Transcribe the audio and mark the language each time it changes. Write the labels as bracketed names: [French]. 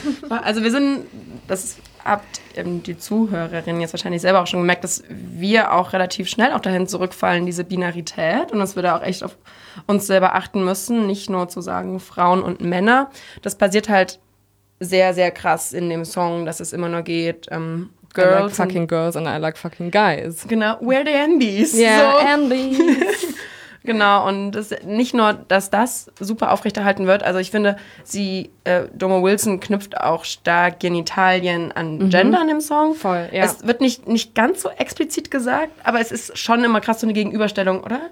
[German] Also wir sind, das ist habt die Zuhörerinnen jetzt wahrscheinlich selber auch schon gemerkt, dass wir auch relativ schnell auch dahin zurückfallen, diese Binarität und dass wir da auch echt auf uns selber achten müssen, nicht nur zu sagen Frauen und Männer. Das passiert halt sehr, sehr krass in dem Song, dass es immer nur geht, Girls. [English] I like fucking girls and I like fucking guys. Genau, we're the Andes. Yeah, so. Andes. [German] Genau, und das, nicht nur, dass das super aufrechterhalten wird, also ich finde, sie, Domo Wilson knüpft auch stark Genitalien an Gendern im Song. Voll, ja. Es wird nicht ganz so explizit gesagt, aber es ist schon immer krass so eine Gegenüberstellung, oder?